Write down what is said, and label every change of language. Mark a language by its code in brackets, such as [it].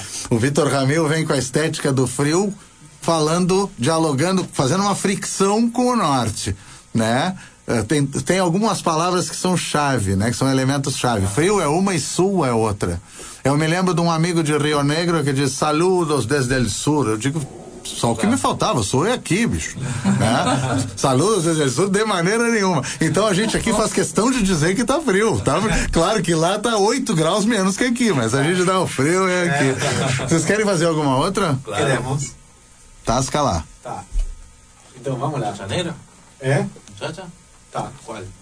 [pt] O Vitor Ramil vem com a estética do frio, falando, dialogando, fazendo uma fricção com o norte, né? Tem algumas palavras que são chave, né? Que são elementos chave. Frio é uma e sul é outra. Eu me lembro de um amigo de Rio Negro que diz, [es] saludos desde el sur. [pt] Eu digo, só o que me faltava, sou eu aqui, bicho. Né? [es] Saludos desde el sur, [pt] de maneira nenhuma. Então a gente aqui faz questão de dizer que tá frio. Tá? Claro que lá tá 8 graus menos que aqui, mas a gente dá o frio é aqui. Vocês querem fazer alguma outra? Claro. Queremos. Tasca lá. Tá. Então vamos lá. Janeiro? É? Já, já. Tá. Qual?